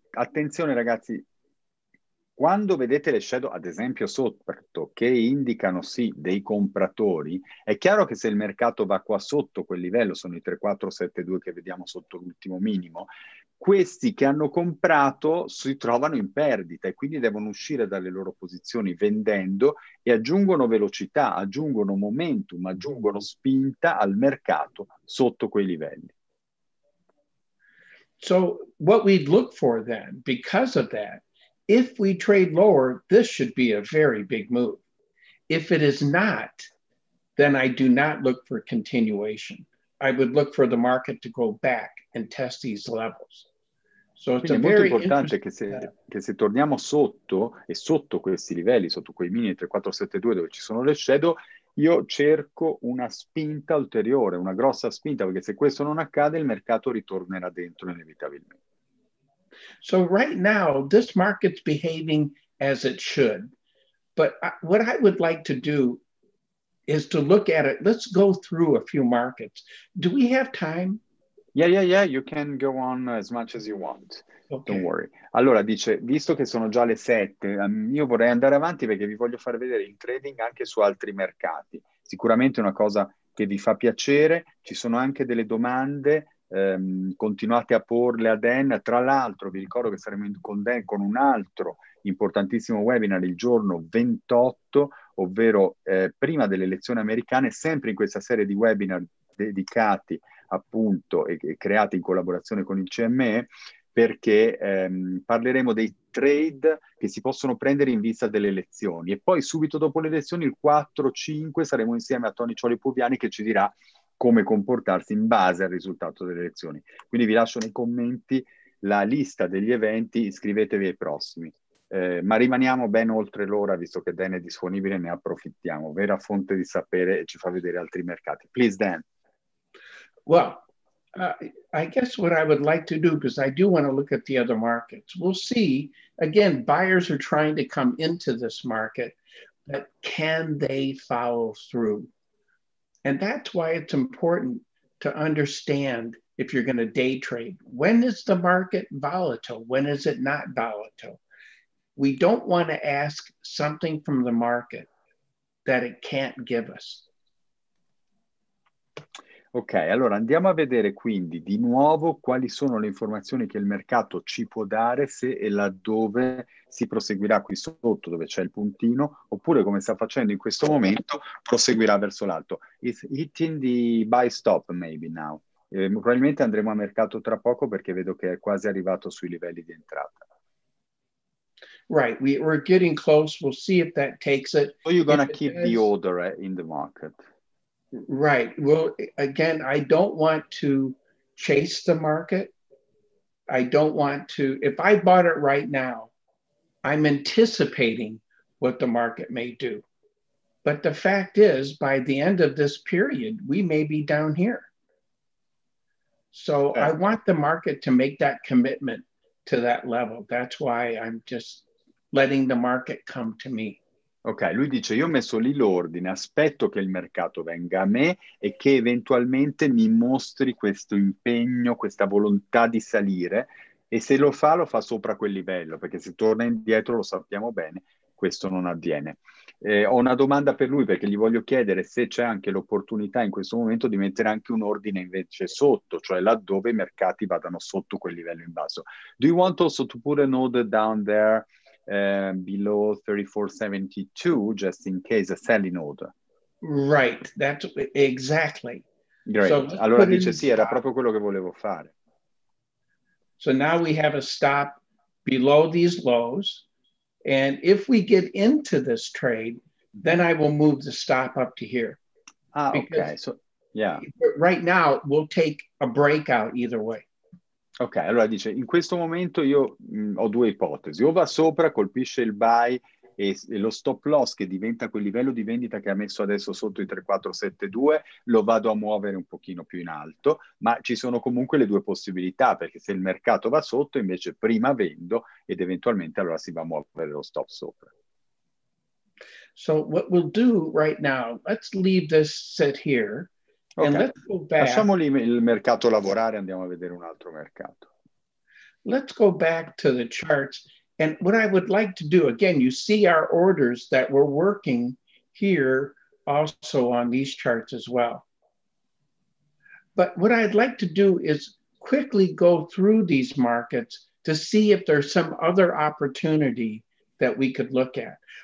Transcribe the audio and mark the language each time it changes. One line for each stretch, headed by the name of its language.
Italian: Attenzione ragazzi, quando vedete le shadow, ad esempio sotto, che indicano sì dei compratori, è chiaro che se il mercato va qua sotto quel livello, sono i 3472 che vediamo sotto l'ultimo minimo, questi che hanno comprato si trovano in perdita e quindi devono uscire dalle loro posizioni vendendo e aggiungono velocità, aggiungono momentum, aggiungono spinta al mercato sotto quei livelli.
English: So what we'd look for then, because of that, if we trade lower, this should be a very big move. If it is not, then I do not look for continuation. I would look for the market to go back and test these levels. So it's
Italian: quindi
English: a very
Italian: importante che se torniamo sotto e sotto questi livelli, sotto quei mini 3472 dove ci sono le shadow, io cerco una spinta ulteriore, una grossa spinta, perché se questo non accade, il mercato ritornerà dentro inevitabilmente.
English: So right now, this market's behaving as it should. But what I would like to do is to look at it. Let's go through a few markets. Do we have time? Yeah. You can go on as much as you want. Okay. Don't worry.
Italian: Allora dice, visto che sono già le 7, io vorrei andare avanti perché vi voglio far vedere il trading anche su altri mercati. Sicuramente è una cosa che vi fa piacere. Ci sono anche delle domande. Continuate a porle a Dan. Tra l'altro vi ricordo che saremo con Dan con un altro importantissimo webinar il giorno 28, ovvero prima delle elezioni americane, sempre in questa serie di webinar dedicati appunto e creati in collaborazione con il CME, perché parleremo dei trade che si possono prendere in vista delle elezioni, e poi subito dopo le elezioni il 4-5 saremo insieme a Tony Cioli-Puviani che ci dirà come comportarsi in base al risultato delle elezioni. Quindi vi lascio nei commenti la lista degli eventi, iscrivetevi ai prossimi. Ma rimaniamo ben oltre l'ora, visto che Dan è disponibile, ne approfittiamo. Vera fonte di sapere e ci fa vedere altri mercati.
English: Please, Dan. Well, I guess what I would like to do, because I do want to look at the other markets, we'll see. Again, buyers are trying to come into this market, but can they follow through? And that's why it's important to understand if you're going to day trade. When is the market volatile? When is it not volatile? We don't want to ask something from the market that it can't give us.
Italian: Ok, allora andiamo a vedere quindi di nuovo quali sono le informazioni che il mercato ci può dare, se e laddove si proseguirà qui sotto dove c'è il puntino, oppure come sta facendo in questo momento, proseguirà verso l'alto.
English: It's hitting the buy stop maybe now.
Italian: Probabilmente andremo a mercato tra poco perché vedo che è quasi arrivato sui livelli di entrata.
English: Right, we're getting close, we'll see if that takes it. So you're gonna keep the order in the market. Right. Well, again, I don't want to chase the market. I don't want to, if I bought it right now, I'm anticipating what the market may do. But the fact is, by the end of this period, we may be down here. So yeah. I want the market to make that commitment to that level. That's why I'm just letting the market come to me.
Italian: Ok, lui dice, io ho messo lì l'ordine, aspetto che il mercato venga a me e che eventualmente mi mostri questo impegno, questa volontà di salire, e se lo fa, lo fa sopra quel livello, perché se torna indietro, lo sappiamo bene, questo non avviene. Ho una domanda per lui, perché gli voglio chiedere se c'è anche l'opportunità in questo momento di mettere anche un ordine invece sotto, cioè laddove i mercati vadano sotto quel livello in basso.
English: Do you want also to put an order down there? Below 34.72, just in case, a selling order. Right, that's exactly. Great. So
Italian: allora dice, sì, era proprio quello che volevo fare.
English: So now we have a stop below these lows, and if we get into this trade, then I will move the stop up to here. Ah, okay, so, yeah. Right now, we'll take a breakout either way.
Italian: Ok, allora dice, in questo momento io ho due ipotesi. O va sopra, colpisce il buy e lo stop loss che diventa quel livello di vendita che ha messo adesso sotto i 3472, lo vado a muovere un pochino più in alto, ma ci sono comunque le due possibilità, perché se il mercato va sotto, invece prima vendo ed eventualmente allora si va a muovere lo stop sopra.
English: So what we'll do right now, let's leave this set here. Okay. And let's go back.
Italian: Lasciamo lì il mercato lavorare, andiamo a vedere un altro mercato.
English: Let's go back to the charts. And what I would like to do, again, you see our orders that we're working here also on these charts as well. But what I'd like to do is quickly go through these markets to see if there's some other opportunity that we could look at.